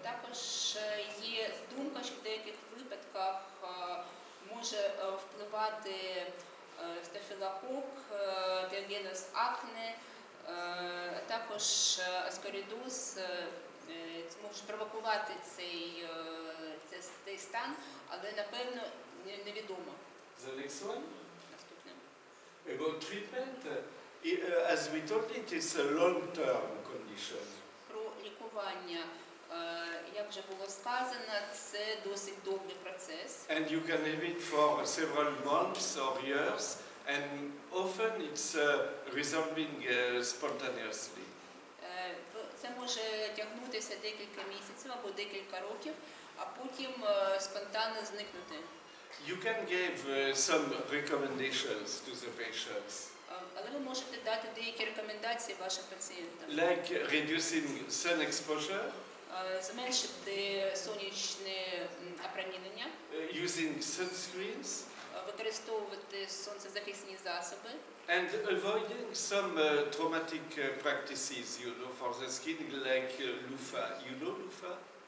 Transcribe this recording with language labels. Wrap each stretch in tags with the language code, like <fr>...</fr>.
<uk>Також є думка, що в деяких випадках може впливати стафілокок, тенгенос акне, а також аскоридоз може провокувати цей стан, але напевно невідомо.</uk> <en>The next one? About treatment, as we told it, it's a long-term condition.</en> <uk>Про лікування, як вже було сказано, це досить довгий процес.</uk> <en>And you can have it for several months or years, and often it's resolving spontaneously.</en> <uk>Це може тягнутися декілька місяців або декілька років, а потім спонтанно зникнути.</uk> <en>You can give some recommendations to the patients.</en> <uk>Але ви можете дати деякі рекомендації вашим пацієнтам.</uk> <en>Like reducing sun exposure.</en> <uk>Зменшити сонячне опромінення.</uk> <en>Using sunscreens.</en> <uk>Використовувати сонцезахисні засоби.</uk> <en>And avoiding some traumatic practices, you know, for the skin, like loofah. You know loofah?</en>